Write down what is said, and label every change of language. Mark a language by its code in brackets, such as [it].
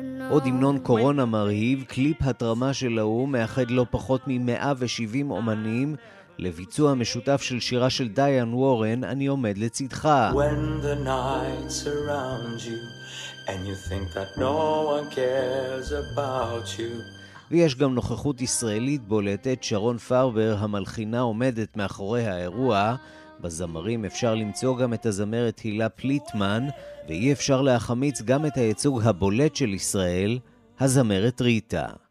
[he] עוד המנון קורונה מרהיב, קליפ התרמה של האום מאחד לא פחות מ-170 אומנים לביצוע משותף של שירה של דיאן וורן, אני עומד לצדך. [en] When the night surrounds you and you think that no one cares about you. [he] ויש גם נוכחות ישראלית בולטת, שרון פרבר המלחינה עומדת מאחורי האירוע. בזמרים אפשר למצוא גם את הזמרת הילה פליטמן, ואי אפשר להחמיץ גם את הייצוג הבולט של ישראל, הזמרת ריטה.